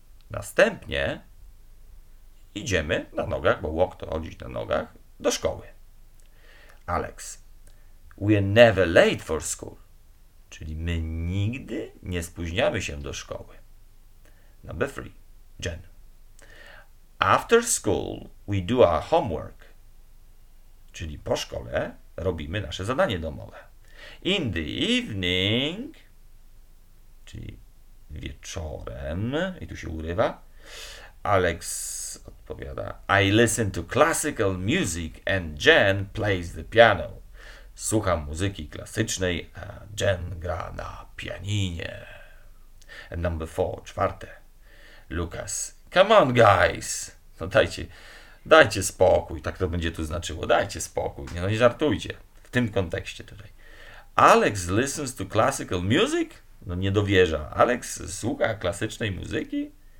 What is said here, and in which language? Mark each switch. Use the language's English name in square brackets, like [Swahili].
[Polish] Następnie idziemy na nogach, bo walk to chodzić na nogach, do szkoły. Alex. [English] We're never late for school. [Polish] Czyli my nigdy nie spóźniamy się do szkoły. [English] Number three. Jen. After school we do our homework. [Polish] Czyli po szkole robimy nasze zadanie domowe. [English] In the evening, [Polish] czyli wieczorem, i tu się urywa, Alex odpowiada, [English] I listen to classical music and Jen plays the piano. [Polish] Słucham muzyki klasycznej, a Jen gra na pianinie. [English] And number four, czwarte. Lucas, come on guys. [Polish] No dajcie spokój, tak to będzie tu znaczyło, dajcie spokój, nie, no nie żartujcie, w tym kontekście tutaj. [English] Alex listens to classical music? [Polish] No nie dowierza. Alex słucha klasycznej muzyki?